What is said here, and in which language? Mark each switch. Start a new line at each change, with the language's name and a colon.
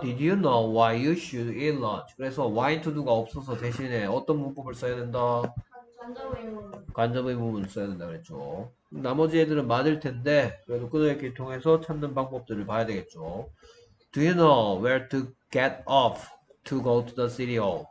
English: Did you know why you should eat lunch?
Korean: 그래서 why to do가 없어서 대신에 어떤 문법을 써야 된다? 간접의 부분을 써야 된다 그랬죠. 나머지 애들은 맞을 텐데 그래도 끊어읽기 통해서 찾는 방법들을 봐야 되겠죠.
English: Do you know where to get off to go to the city hall?